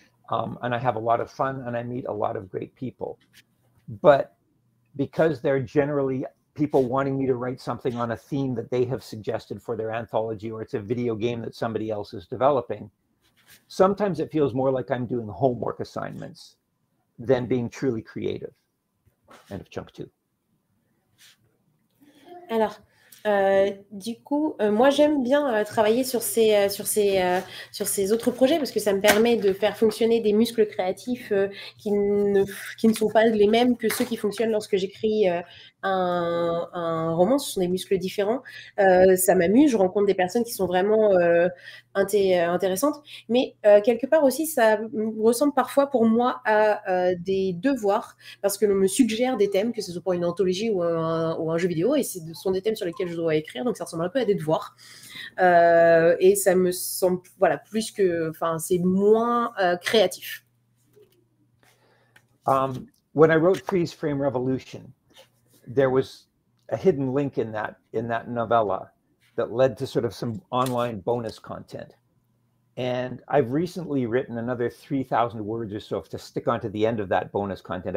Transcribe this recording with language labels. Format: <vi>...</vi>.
<en>And I have a lot of fun and I meet a lot of great people. But because they're generally people wanting me to write something on a theme that they have suggested for their anthology, or it's a video game that somebody else is developing, sometimes it feels more like I'm doing homework assignments than being truly creative. End of chunk two.</en> <fr>Alors. Du coup, moi j'aime bien travailler sur ces autres projets parce que ça me permet de faire fonctionner des muscles créatifs qui ne sont pas les mêmes que ceux qui fonctionnent lorsque j'écris un roman. Ce sont des muscles différents. Ça m'amuse, je rencontre des personnes qui sont vraiment intéressantes. Mais quelque part aussi, ça ressemble parfois pour moi à des devoirs parce que l'on me suggère des thèmes, que ce soit pour une anthologie ou un jeu vidéo, et ce sont des thèmes sur lesquels je dois écrire, donc ça ressemble un peu à des devoirs. Et ça me semble, voilà, plus que, enfin, c'est moins créatif.</fr> <en>When I wrote Freeze Frame Revolution, there was a hidden link in that novella that led to sort of some online bonus content. And I've recently written another 3,000 words or so to stick onto the end of that bonus content.</en>